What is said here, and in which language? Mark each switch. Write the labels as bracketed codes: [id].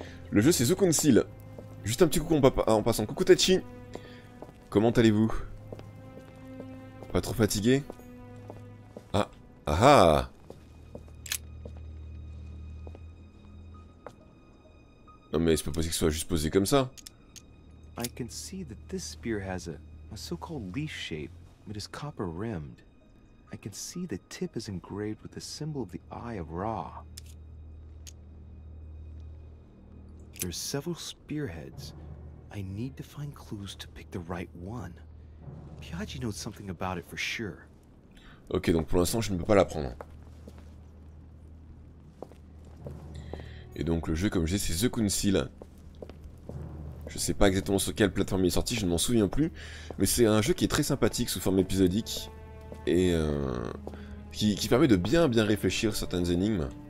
[fr] Le jeu, c'est The Council. Juste un petit coucou en passant. Coucou Tachi! Comment allez-vous? Pas trop fatigué? Ah ah! Non mais c'est pas possible que ce soit juste posé comme ça. [en] I can see that this spear has a so-called leaf shape, but is copper rimmed. I can see the tip is engraved with the symbol of the Eye of Ra. There's several spearheads. I need to find clues to pick the right one. Piaggi knows something about it for sure. [fr] Ok, donc pour l'instant, je ne peux pas la prendre. Et donc, le jeu, comme je disais, c'est The Council. Je sais pas exactement sur quelle plateforme il est sorti, je ne m'en souviens plus. Mais c'est un jeu qui est très sympathique sous forme épisodique. Et qui permet de bien réfléchir certaines énigmes.